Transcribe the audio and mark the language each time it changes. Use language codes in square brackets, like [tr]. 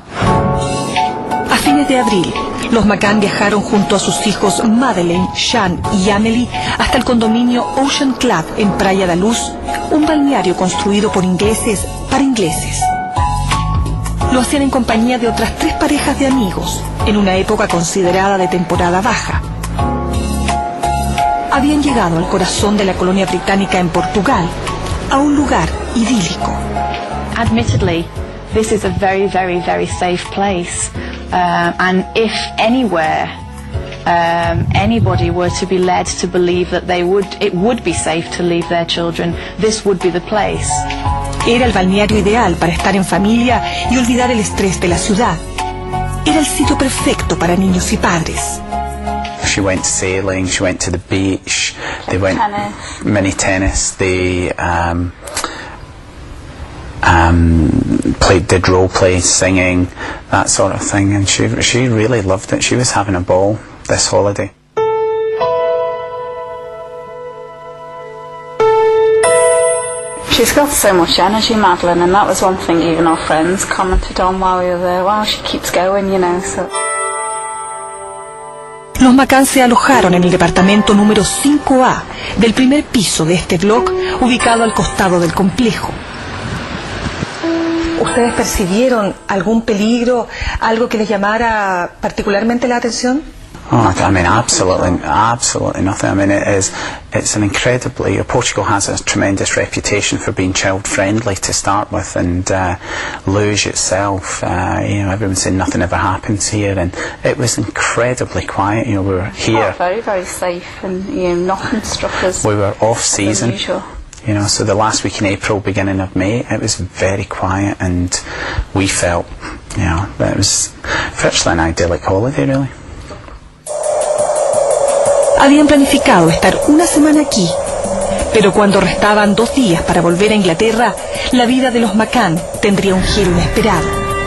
[es] A fines de abril, los McCann viajaron junto a sus hijos Madeleine, Sean y Amelie hasta el condominio Ocean Club en Praia da Luz, un balneario construido por ingleses para ingleses. Lo hacían en compañía de otras 3 parejas de amigos, en una época considerada de temporada baja. Habían llegado al corazón de la colonia británica en Portugal, a un lugar idílico. [en] Admittedly, this is a very, very, very safe place. And if anywhere anybody were to be led to believe that it would be safe to leave their children, this would be the place. [es] Era el balneario ideal para estar en familia y olvidar el estrés de la ciudad. Era el sitio perfecto para niños y padres. [en] She went sailing, she went to the beach, they went tennis. Mini tennis, they did role play, singing, that sort of thing. And she really loved it. She was having a ball this holiday. She's got so much energy, Madeleine, and that was one thing even our friends commented on while we were there. Wow, she keeps going, you know, so. [es] Los McCann se alojaron en el departamento número 5A del primer piso de este bloc, ubicado al costado del complejo. ¿Ustedes percibieron algún peligro, algo que les llamara particularmente la atención? [en] Oh, I mean, absolutely nothing. I mean, it's an incredibly... Portugal has a tremendous reputation for being child-friendly to start with, and Luge itself, you know, everyone's saying nothing ever happens here, and it was incredibly quiet, you know, we were here. Oh, very, very safe, and, you know, nothing struck us. We were off-season, you know, so the last week in April, beginning of May, it was very quiet, and we felt, you know, that it was virtually an idyllic holiday, really. [es] Habían planificado estar una semana aquí, pero cuando restaban 2 días para volver a Inglaterra, la vida de los McCann tendría un giro inesperado.